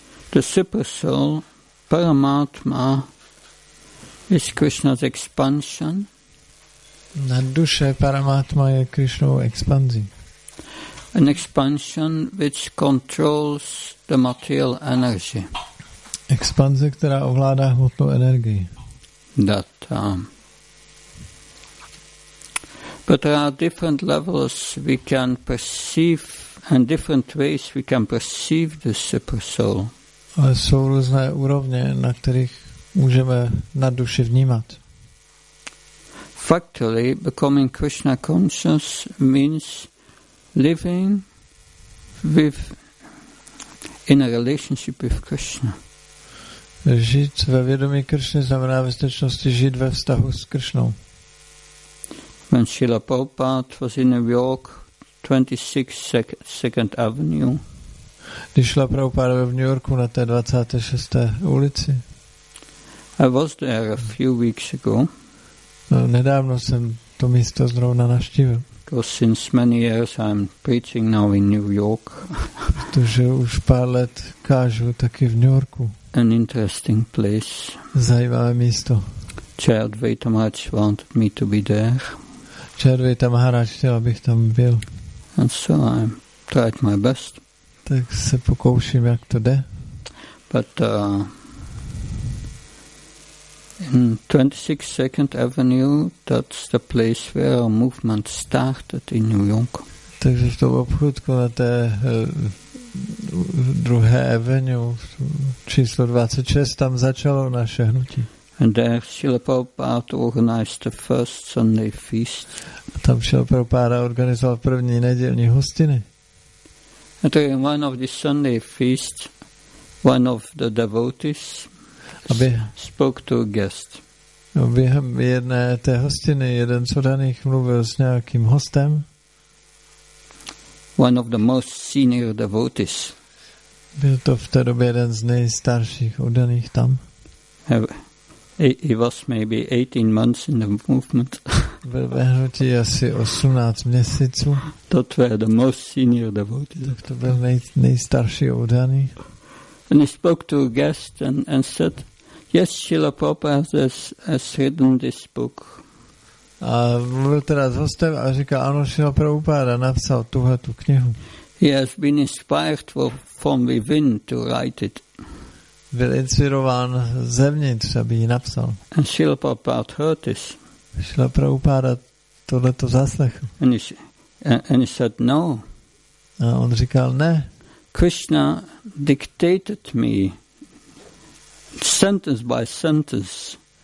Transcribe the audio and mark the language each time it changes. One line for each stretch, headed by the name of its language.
English: The supersoul, paramatma, is Krishna's expansion.
Czech: Na duše paramatma je Krishnovou expanzí.
English: An expansion which controls the material energy.
Czech: Expanze, která ovládá hmotnou energii.
English: But there are different levels we can perceive and different ways we can perceive the super soul.
Czech: Ale jsou různé úrovně, na kterých můžeme na duši vnímat.
English: Factually, becoming Krishna conscious means living with in a relationship with Krishna.
Czech: Žít ve vědomí Krishny znamená ve skutečnosti žít ve vztahu s Krishnou.
English: When Srila Prabhupada was in New York, 22nd Avenue.
Czech: Když Srila Prabhupada byl v New Yorku na té 26. ulici.
English: I was there a few weeks ago.
Czech: Nedávno jsem to místo zrovna navštívil.
English: Because since many years I'm preaching now in New York.
Czech: Protože už pár let kážu taky v New Yorku.
English: An interesting place.
Czech: Zajímavé místo.
English: Chad Vaitamaraj wanted me to be there.
Czech: Červej tam hráč chtěl, abych tam byl.
English: And so I tried my best.
Czech: Tak se pokouším, jak to jde.
English: But in 22nd Avenue, that's the place where our movement started in New York.
Czech: Takže v tom obchůdku na té druhé avenue, číslo 26, tam začalo naše hnutí.
English: And there Srila Prabhupada organized the first Sunday feast.
Czech: Tam Srila Prabhupada organizoval první nedělní hostiny.
English: And during one of the Sunday feasts, one of the devotees spoke to a guest.
Czech: Během jedné té hostiny jeden z daných mluvil s nějakým hostem.
English: One of the most senior devotees.
Czech: Byl to v té době jeden z nejstarších oddaných tam.
English: He was maybe 18 months in the movement.
Czech: Byl ve hnutí asi 18 měsíců.
English: That were the most senior devotees.
Czech: Tak to byl nejstarší oddaný.
English: And he spoke to a guest and said, yes, Srila Prabhupada has written this book.
Czech: A mluvil teda s hostem a říkal, ano, Srila Prabhupada napsal tuhletu knihu.
English: He has been inspired from within to write it.
Czech: Byl inspirován zevnitř, aby ji napsal.
English: And Srila Prabhupada heard this.
Czech: Srila Prabhupada tohleto zaslechl.
English: And he said no.
Czech: A on říkal ne.
English: Krishna dictated me sentence by sentence.